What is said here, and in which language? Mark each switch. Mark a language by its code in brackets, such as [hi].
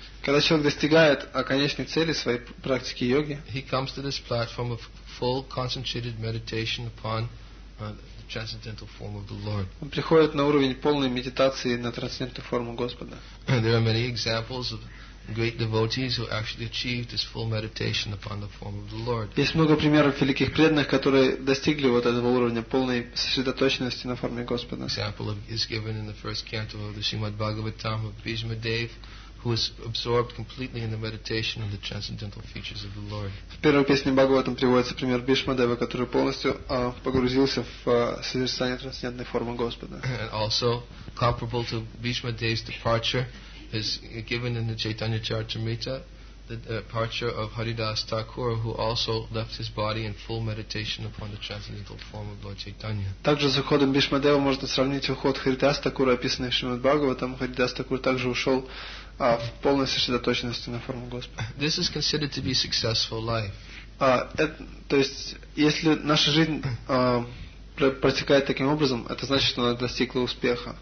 [ru] когда человек достигает конечной цели своей практики йоги, [en] he comes to this platform of full concentrated meditation upon the transcendental form of the Lord. [ru] Он приходит на уровень полной медитации на трансцендентную форму Господа. [en] There are many examples of great devotees who actually achieved this full meditation upon the form of the Lord. [ru] Есть много примеров великих преданных, которые достигли вот этого уровня полной сосредоточенности на форме Господа. [en] Example is given in the first canto of the Srimad Bhagavatam of Bhishma Dev, who is absorbed completely in the meditation of the transcendental features of the Lord. [ru] В первой песне Бхагаватам приводится пример Бхишма Дева, который полностью погрузился в созерцание трансцендентной формы Господа. [en] And also comparable to Bhishma Dev's departure is given in the Chaitanya Charitamrita, the departure of Haridas Thakur, who also left his body in full meditation upon the transcendental form of Lord Chaitanya. [ru] Также с уходом Бхишма Дева можно сравнить уход Харидаса Такура, описанный в Шримад Бхагаватам. Харидас Такур также ушел в полной сосредоточенности на форму Господа. [en] This is considered to be successful life. [ru] То есть, если наша жизнь протекает таким образом, это значит, что она достигла успеха.